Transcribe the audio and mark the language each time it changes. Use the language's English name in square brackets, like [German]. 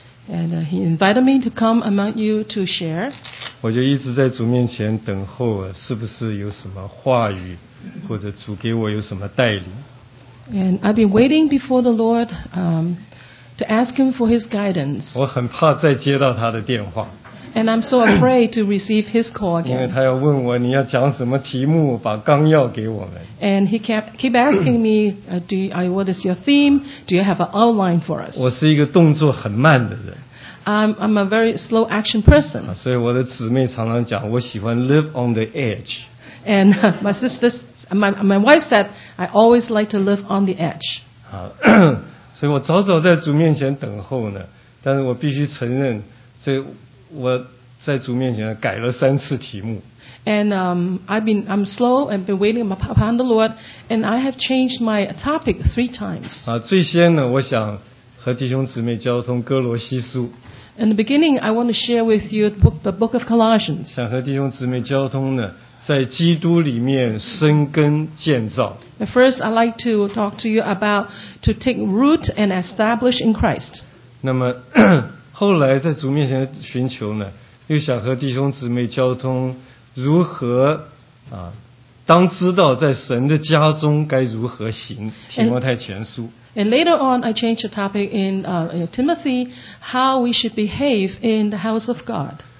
[English] And he invited me to come among you to share. [Chinese] 我就一直在主面前等候，是不是有什么话语，或者主给我有什么带领。 [English] And I've been waiting before the Lord, to ask him for his guidance. [Chinese] 我很怕再接到他的电话。 [English] And I'm so afraid to receive his call again. [Chinese] 因为他要问我你要讲什么题目，把纲要给我们。 [English] And he kept asking me, what is your theme? Do you have an outline for us? [Chinese] 我是一个动作很慢的人。 [English] I'm a very slow action person. [Chinese] 所以我的姊妹常常讲，我喜欢 [English] live on the edge. And my wife said, I always like to live on the edge. [Chinese] 所以我早早在主面前等候呢，但是我必须承认，这我在主面前改了三次题目。 [English] And I've been waiting upon the Lord, and I have changed my topic three times. [Chinese] 最先呢，我想和弟兄姊妹交通哥罗西书。 [English] In the beginning, I want to share with you the book of Colossians. [Chinese] 想和弟兄姊妹交通呢，在基督里面生根建造。 [English] First, I'd like to talk to you about to take root and establish in Christ. [Chinese] 那么后来在主面前寻求呢，又想和弟兄姊妹交通如何当知道在神的家中该如何行，提摩太前书。 [English] And later on, I changed the topic in Timothy, how we should behave in the house of God.